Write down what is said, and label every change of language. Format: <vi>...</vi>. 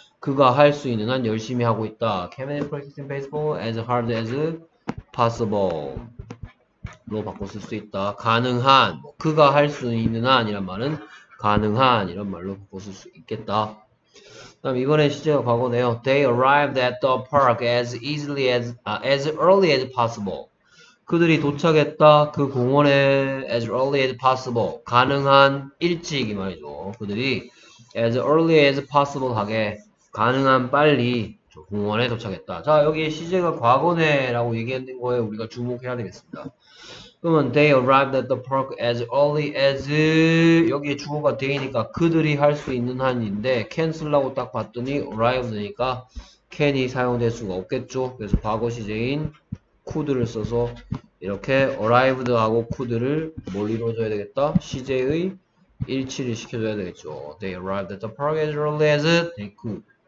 <ko>그가 할수 있는 한 열심히 하고 있다. 케빈이 프랙티싱 베이스볼</ko> <en>as hard as possible</en> <ko>로 바꿔 쓸수 있다. 가능한 뭐 그가 할수 있는 한 이란 말은 가능한 이런 말로 바꿔 쓸수 있겠다. 다음 이번에 시제가 과거네요.</ko> <en>They arrived at the park as easily as early as possible.</en> <ko>그들이 도착했다. 그 공원에</ko> <en>as early as possible.</en> <ko>가능한 일찍 이 말이죠. 그들이</ko> <en>as early as possible</en> <ko>하게 가능한 빨리 저 공원에 도착했다. 자, 여기에 시제가 과거네라고 얘기하는 거에 우리가 주목해야 되겠습니다. 그러면</ko> <en>they arrived at the park as early</en> <ko>as 여기에 주어가 돼이니까 그들이 할수 있는 한인데 can 쓰려고 딱 봤더니 arrived니까 can이 사용될 수가 없겠죠. 그래서 과거 시제인 could를 써서 이렇게 arrived 하고 could를 뭘 이루어줘야 되겠다? 시제의 일치를 시켜줘야 되겠죠.</ko> <en>They arrived at the park as early as they could.</en>